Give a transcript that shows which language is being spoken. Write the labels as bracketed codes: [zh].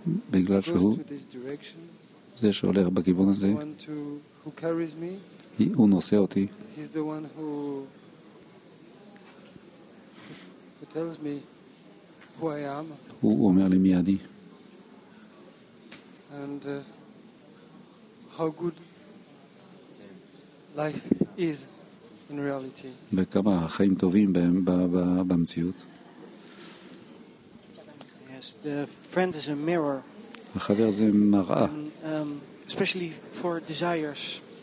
[he] בגלל שהוא זה שהולך בכיוון הזה [en] who carries me [he] הוא נושא אותי [en] he's the one who tells me who I am [he] הוא אומר לי מי אני [en] and how good life is in reality [he] וכמה החיים טובים במציאות [en] yes the friend is a mirror [he] החבר זה מראה [en] especially for desires